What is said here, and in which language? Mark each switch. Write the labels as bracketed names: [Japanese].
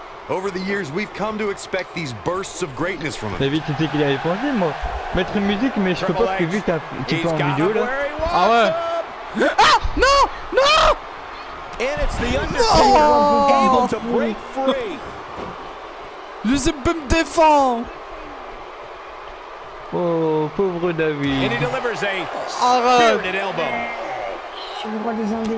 [English] Over the years, we've come to expect these bursts of greatness from him. [French] David, tu sais qu'il allait penser, moi. Mettre une musique, mais je peux pas, parce que vu que tu fais en vidéo, là. Ah ouais. Ah, non, non. [English] And it's the Undertaker able to break free. [French] Je sais pas me défendre. Oh, pauvre David. [English] And he delivers a spirited elbow.